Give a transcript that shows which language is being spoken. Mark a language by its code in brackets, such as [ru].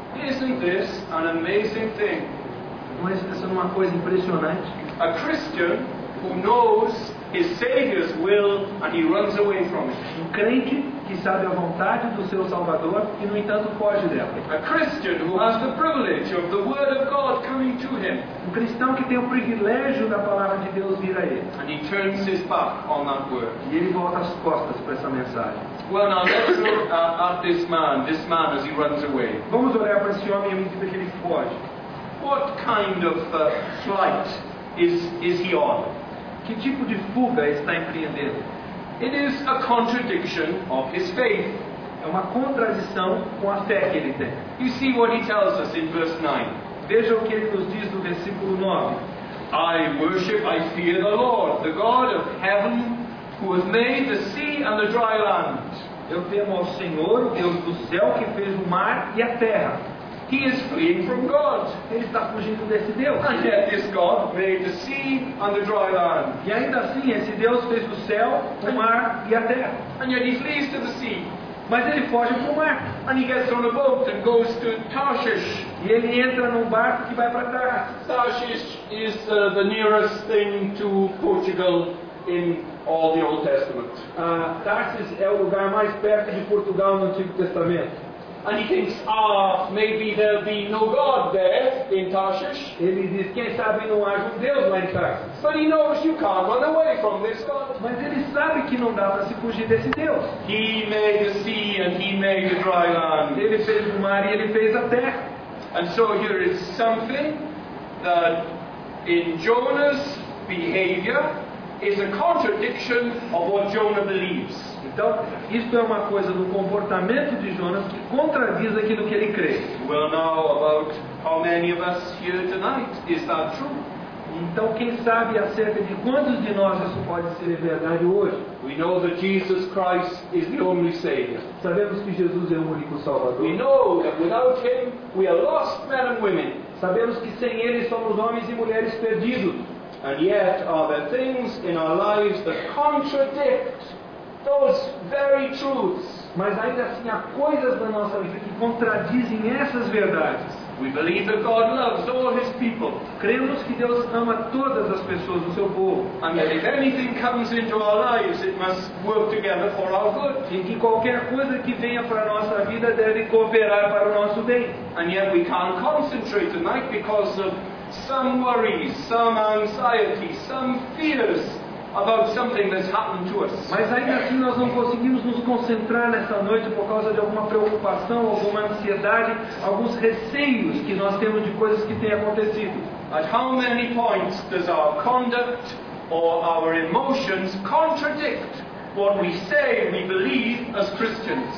[en] Isn't this an amazing thing? [pt] Não é isso uma coisa impressionante? [en] A Christian who knows his Savior's will and he runs away from it. [pt] Um crente que sabe a vontade do seu Salvador e no entanto foge dela. [en] A Christian who has the privilege of the Word of God coming to him. [pt] Um cristão que tem o privilégio da palavra de Deus vir a ele. [en] And he turns his back on that word. [pt] E ele volta as costas para essa mensagem. [en] Well, now let's look at this man as he runs away. [pt] Vamos olhar para esse homem à medida que ele foge. [en] What kind of flight is he on? [pt] Que tipo de fuga está empreendendo? [en] It is a contradiction of his faith. [pt] É uma contradição com a fé que ele tem. [en] You see what he tells us in verse 9. [pt] Veja o que ele nos diz no versículo 9. [en] I worship, I fear the Lord, the God of heaven, who has made the sea and the dry land. [pt] Eu temo ao Senhor, o Deus do céu, que fez o mar e a terra. [en] He is fleeing from God. [pt] Ele está fugindo desse Deus. [en] And yet this God made the sea and the dry land. [pt] E ainda assim, esse Deus fez o céu, o mar e a terra. [en] And yet he flees to the sea. [pt] Mas ele foge para o mar. [en] And he gets on a boat and goes to Tarshish. [pt] E ele entra num barco que vai para Tarshish. [en] Tarshish is the nearest thing to Portugal in all the Old Testament. [pt] Tarsis é o lugar mais perto de Portugal no Antigo Testamento. [en] And he thinks, maybe there'll be no God there in Tarshish. [pt] Ele diz, quem sabe não haja Deus lá em Tarsis. [en] But he knows you can't run away from this God. [pt] Mas ele sabe que não dá para se fugir desse Deus. [en] He made the sea and he made the dry land. [pt] Ele fez o mar e ele fez a terra. [en] And so here is something that in Jonah's behavior is a contradiction of what Jonah believes. [pt] Então, isto é uma coisa do comportamento de Jonas que contradiz aquilo que ele crê. [en] Well, now, about how many of us here tonight, is that true? [pt] Então, quem sabe acerca de quantos de nós isso pode ser verdade hoje? [en] We know that Jesus Christ is the only Savior. [pt] Sabemos que Jesus é o único Salvador. [en] We know that without him, we are lost men and women. [pt] Sabemos que sem ele somos homens e mulheres perdidos. [en] And yet are there things in our lives that contradict those very truths. [pt] Mas ainda assim há coisas na nossa vida que contradizem essas verdades. [en] We believe that God loves all his people. [pt] Cremos que Deus ama todas as pessoas do seu povo. [en] And yet if anything comes into our lives, it must work together for our good. [pt] E que qualquer coisa que venha para a nossa vida deve cooperar para o nosso bem. [en] And yet we can't concentrate tonight because of some worries, some anxiety, some fears about something that's happened to us. [pt] Mas ainda assim nós não conseguimos nos concentrar nessa noite por causa de alguma preocupação, alguma ansiedade, alguns receios que nós temos de coisas que têm acontecido. [en] At how many points does our conduct or our emotions contradict what we say we believe as Christians?